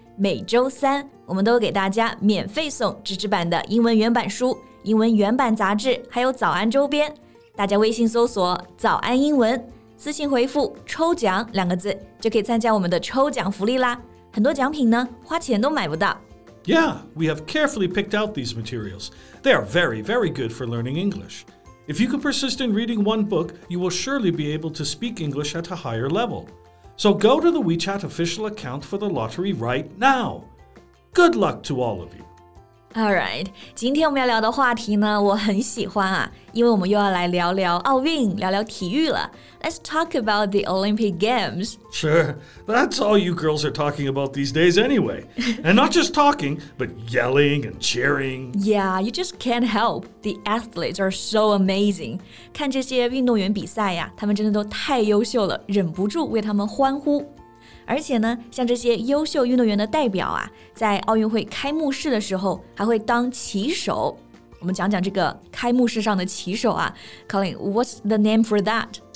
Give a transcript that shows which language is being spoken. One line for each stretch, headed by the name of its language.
Chinese: 每周三，我们都给大家免费送纸质版的英文原版书、英文原版杂志，还有早安周边。大家微信搜索“早安英文”，私信回复“抽奖”两个字，就可以参加我们的抽奖福利啦。很多奖品呢，花钱都买不到。
English: Yeah, we have carefully picked out these materials. They are very, very good for learning English. If you can persist in reading one book, you will surely be able to speak English at a higher level. So go to the WeChat official account for the lottery right now. Good luck to all of you. All right,
Chinese: 今天我们要聊的话题呢，我很喜欢啊，因为我们又要来聊聊奥运，聊聊体育了。
English: Let's talk about the Olympic Games. Sure, that's all you girls are talking about these days anyway. And not just talking, but yelling and cheering. Yeah, you just can't help. The athletes are so amazing.
Chinese: 看这些运动员比赛呀，他们真的都太优秀了，忍不住为他们欢呼。而且呢，像这些优秀运动员的代表啊，在奥运会开幕式的时候还会当旗手。我们讲讲这个开幕式上的旗手啊 ，Colin,
English: what's the name for that?